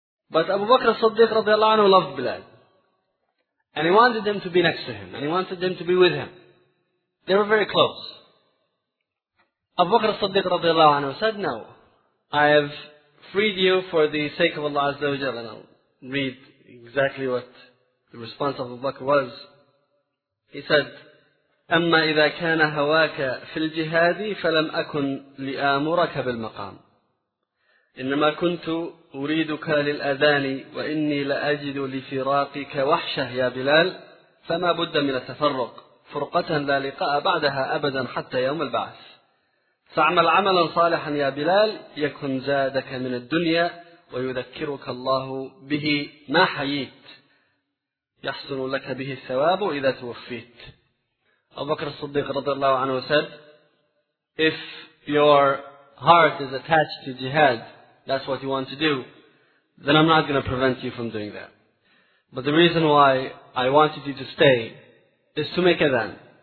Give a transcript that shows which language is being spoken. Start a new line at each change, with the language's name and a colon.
English: But Abu Bakr as-Siddiq radiallahu anhu loved Bilal. And he wanted him to be next to him. And he wanted him to be with him. They were very close. Abu Bakr as-Siddiq radiallahu anhu said, no, I have freed you for the sake of Allah azza wa jalla. And I'll read exactly what the response of Abu Bakr was. He said,
Arabic: أما إذا كان هواك في الجهاد فلم أكن لآمرك بالمقام إنما كنت أريدك للأذان وإني لأجد لفراقك وحشة يا بلال فما بد من التفرق فرقة لا لقاء بعدها أبدا حتى يوم البعث فاعمل عملا صالحا يا بلال يكن زادك من الدنيا ويذكرك الله به ما حييت يحصل لك به الثواب إذا توفيت.
English: Abu Bakr as-Siddiq radiallahu anhu said, if your heart is attached to jihad, that's what you want to do, then I'm not going to prevent you from doing that. But the reason why I wanted you to stay is to make adhan.